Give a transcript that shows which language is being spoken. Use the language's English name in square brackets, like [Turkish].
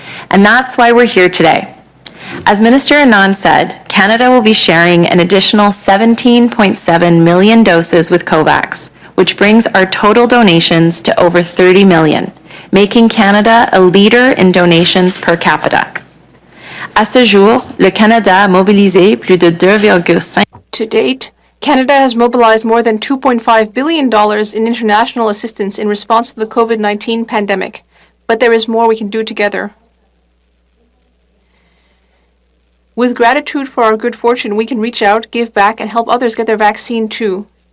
[English] And that's why we're here today. As Minister Anand said, Canada will be sharing an additional 17.7 million doses with COVAX, which brings our total donations to over 30 million, making Canada a leader in donations per capita. [French] À ce jour, le Canada a mobilisé plus de 2,5. [English] To date, Canada has mobilized more than $2.5 billion in international assistance in response to the COVID-19 pandemic, but there is more we can do together. With gratitude for our good fortune, we can reach out, give back, and help others get their vaccine too.